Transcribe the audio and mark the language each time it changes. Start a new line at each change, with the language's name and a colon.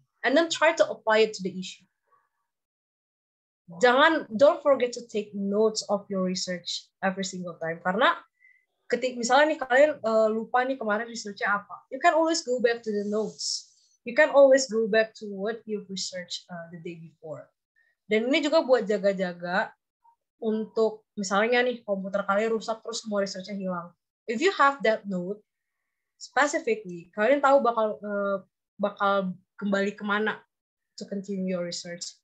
English: And then try to apply it to the issue.
Indonesian: Jangan,
English: don't forget to take notes of your research every single time.
Indonesian: Karena ketika misalnya nih kalian lupa nih kemarin researchnya apa,
English: you can always go back to the notes. You can always go back to what you've researched the day before.
Indonesian: Dan ini juga buat jaga-jaga untuk misalnya nih komputer kalian rusak terus semua researchnya hilang.
English: If you have that note specifically,
Indonesian: kalian tahu bakal kembali kemana
English: to continue your research.